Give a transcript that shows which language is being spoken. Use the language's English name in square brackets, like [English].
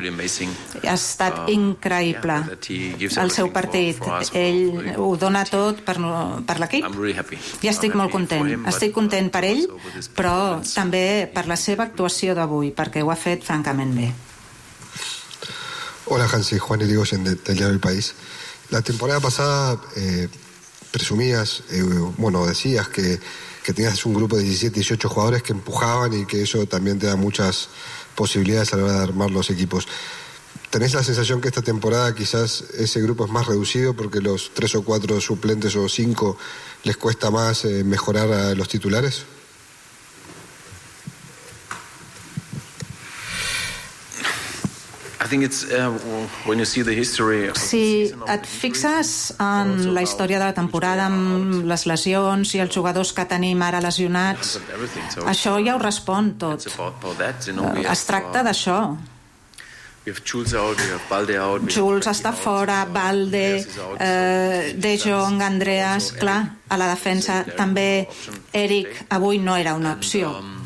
[Catalan] Ha estat increïble el seu partit. Ell ho dona tot per l'equip. I estic molt content. Estic content per ell, però també per la seva actuació d'avui, perquè ho ha fet francament bé. [Spanish] Hola, Hansi, Juan Irigoyen, de Diario El País. La temporada pasada presumías, bueno, decías que tenías un grupo de 17, 18 jugadores que empujaban y que eso también te da muchas posibilidades a la hora de armar los equipos. ¿Tenés la sensación que esta temporada quizás ese grupo es más reducido porque los 3 o 4 suplentes o 5 les cuesta más mejorar a los titulares? [English] I think it's when you see the history. [Catalan] Si et fixes en la història de la temporada amb les lesions i els jugadors que tenim ara lesionats, això ja ho respon tot. Es tracta d'això. Jules està fora, Balde, De Jong, Andreas, clar, a la defensa també Eric avui no era una opció.